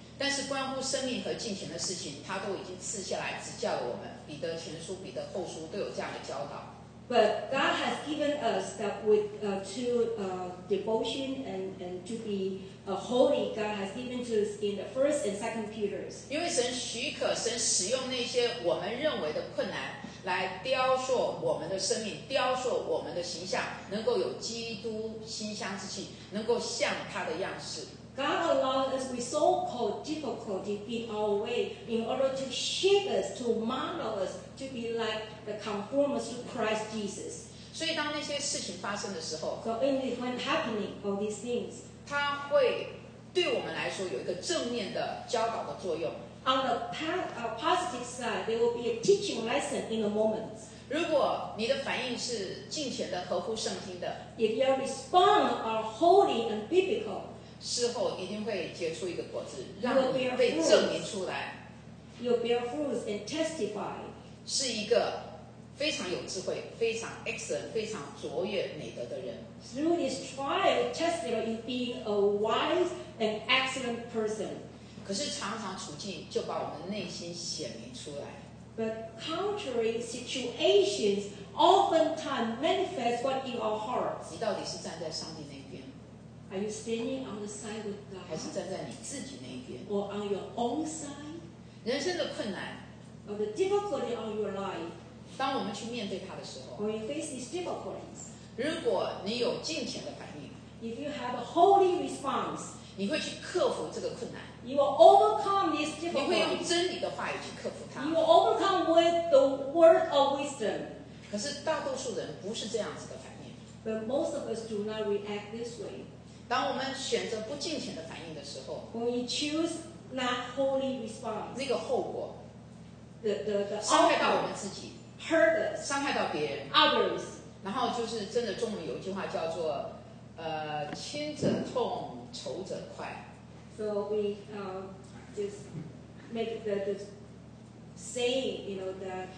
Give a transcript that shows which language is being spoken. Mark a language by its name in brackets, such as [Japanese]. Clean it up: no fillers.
[Chinese] 但是关乎生命和敬虔的事情，他都已经赐下来指教了我们。彼得前书、彼得后书都有这样的教导。 [English] But God has given us that with to devotion and to be holy, God has given to us in the first and second Peter. [Chinese] 因为神许可，神使用那些我们认为的困难。来雕塑我们的生命，雕塑我们的形象，能够有基督馨香之气，能够像他的样式。 [English] God allows us with so-called difficulty in our way in order to shape us, to model us, to be like the conformers to Christ Jesus. [Chinese] 所以当那些事情发生的时候 [English] ，So in this, when happening all these things, [Chinese] 他会对我们来说有一个正面的教导的作用。 [English] On the positive side, there will be a teaching lesson in a moment. [Chinese] 如果你的反应是敬虔的、合乎圣经的 [English] ，If your response are holy and biblical, [Chinese] 事后一定会结出一个果子，让你被证明出来。 [English] You'll bear fruits and testify. [Chinese] 是一个非常有智慧、非常 excellent、非常卓越美德的人。 [English] Through this trial, testify in being a wise and excellent person. [Chinese] 可是常常处境就把我们内心显明出来。 [English] But contrary situations oftentimes manifest what in our hearts. [Chinese] 你到底是站在上帝那边 [English] ？Are you standing on the side with God? [Chinese] 还是站在你自己那边 [English] ？Or on your own side? [Chinese] 人生的困难 [English] ，or the difficulty of your life. [Chinese] 当我们去面对它的时候 [English] ，when you face these difficulties. [Chinese] 如果你有敬虔的反应 [English] ，if you have a holy response. [Chinese] 你会去克服这个困难。 [English] You will overcome this difficulty. [Chinese] 你会用真理的话语去克服它。 [English] You will overcome with the word of wisdom. [Chinese] 可是大多数人不是这样子的反应。 [English] But most of us do not react this way. [Chinese] 当我们选择不敬虔的反应的时候 [English] ，When we choose not holy response, [Chinese] 那个后果 [English] ，the [Chinese] 伤害到我们自己 [English] hurt us, [Chinese] 伤害到别人 [English] others, [Chinese] 然后就是真的中文有一句话叫做亲者痛仇者快 [English] so we just make the saying you know that